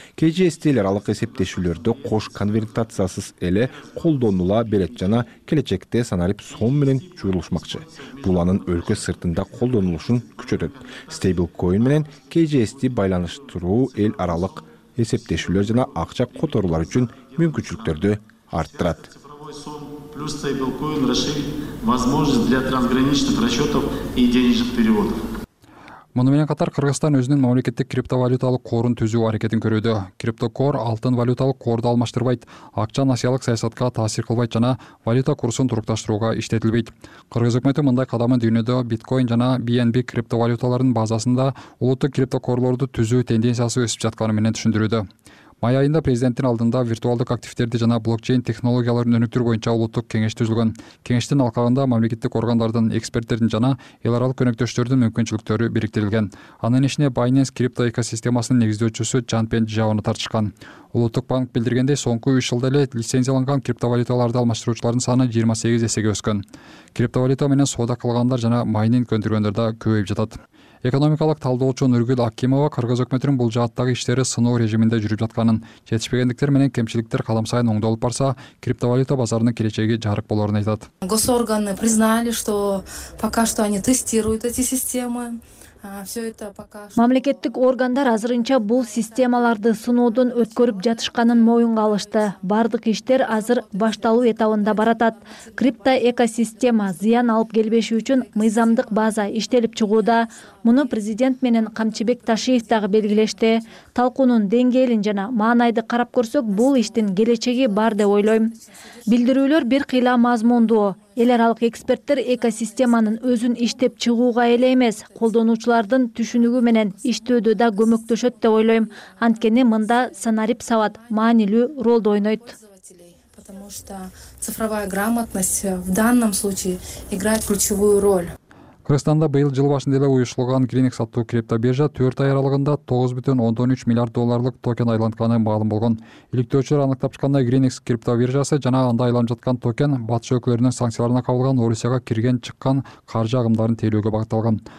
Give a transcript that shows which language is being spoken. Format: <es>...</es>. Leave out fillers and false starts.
<ky>KGST-лер алык эсептешүүлөрдө кош конвертациясыз эле колдонула берет жана келечекте санарип сом менен чуулушмакчы. Бул анын өлкө сыртында колдонулушун күчөтөт. Стейблкоин менен KGST байланыштыруу эл аралык эсептешүүлөр жана акча которуулар үчүн мүмкүнчүлүктөрдү арттырат.</ky> <ru>Плюс стейблкоин расширит возможность для трансграничных расчетов и денежных переводов.</ru> <ky>Муну менен катар Кыргызстан өзүнүн мамлекеттик криптовалюталык корун түзүү аракетин көрүүдө. Криптокор алтын валюталык корду алмаштырбайт, акча насиялык саясатка таасир кылбайт жана валюта курсун турукташтырууга иштетилбейт. Кыргыз өкмөтү мындай кадамын дүйнөдө биткоин жана BNB криптовалюталарын базасында улуттук криптокорлорду түзүү тенденциясы өсүп жатканы менен түшүндүрүүдө. Май айында президенттин алдында виртуалдык активдерди жана блокчейн технологияларын өнүктүрүү боюнча улуттук кеңеш түзүлгөн. Кеңештин алкагында мамлекеттик органдардын, эксперттердин жана эл аралык өнөктөштөрдүн мүмкүнчүлүктөрү бириктирилген. Анын ичине Binance крипто экосистемасынын негиздөөчүсү Чан Пен Жаоны тартышкан. Улуттук банк билдиргендей, соңку 3 жылда эле лицензияланган криптовалюталарды алмаштыруучулардын саны 28 эсеге өскөн. Криптовалюта менен соода кылгандар жана майнинг көндүргөндөр да көбөйүп жатат. Экономикалык талдоочу Нүргүл Акимова кыргыз өкмөтүнүн бул жааттагы иштери сыноо режиминде жүрүп жатканын, жетишпегендиктер менен кемчиликтер калам сайын оңдолуп барса, криптовалюта базарынын келечеги жарык болорун айтат.</ky> <ru>Госорганы признали, что пока что они тестируют эти системы.</ru> <ky>Мамлекеттик органдар азырынча бул системаларды сыноодон өткөрүп жатышканын моюнга алышты. Бардык иштер азыр башталуу этабында баратат. Крипто экосистема зыян алып келбеши үчүн мыйзамдык база иштелип чыгууда. Муну президент менен Камчыбек Ташиев дагы белгилешти. Талкуунун деңгээлин жана маанайды карап көрсөк, бул иштин келечеги бар деп ойлойм. Билдирүүлөр бир кыйла мазмундуу. Эл аралык эксперттер экосистеманын өзүн иштеп чыгууга эле эмес, колдонуучулардын түшүнүгү менен иштөөдө да көмөктөшөт деп ойлойм. Анткени мында санарип сават маанилүү ролду ойнойт.</ky> <ru>Потому что цифровая грамотность в данном случае играет ключевую роль.</ru> <ky>Кыргызстанда быйыл жыл башында эле уюштурулган Greenex аттуу криптобиржа 4 ай аралыгында 9,13 миллиард долларлык токен айланганы маалым болгон. Иликтөөчүлөр аныктап чыккандай, Greenex криптобиржасы жана анда айланып жаткан токен батыш өлкөлөрүнүн санкцияларына кабылган Орусияга кирген чыккан каржы агымдарын тейлөөгө багытталган.</ky>